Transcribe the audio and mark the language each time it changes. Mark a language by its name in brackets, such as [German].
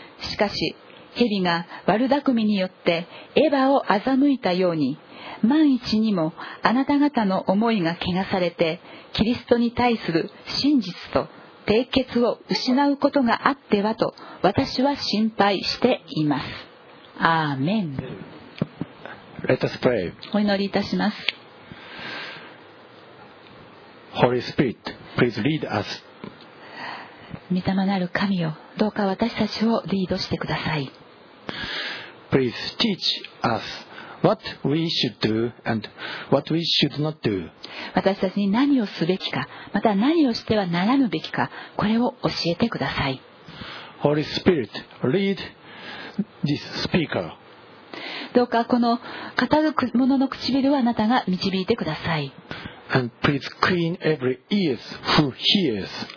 [Japanese] しかし蛇が悪巧みによってエヴァを欺いたように、万一にもあなた方の思いが汚されてキリストに対する真実と締結を失うことがあってはと私は心配しています。アーメン。 [English] Let us pray. [Japanese] お祈りいたします。 [English] Holy Spirit, please lead us. [Japanese] 御霊なる神よ、どうか私たちをリードしてください。 [English] Please teach us what we should do and what we should not do. [Japanese] 私たちに何をすべきか、また何をしてはならぬべきか、これを教えてください。 [English] Holy Spirit, lead this speaker. [Japanese] どうかこの語る者の唇をあなたが導いてください。 [English] And please clean every ears who hears.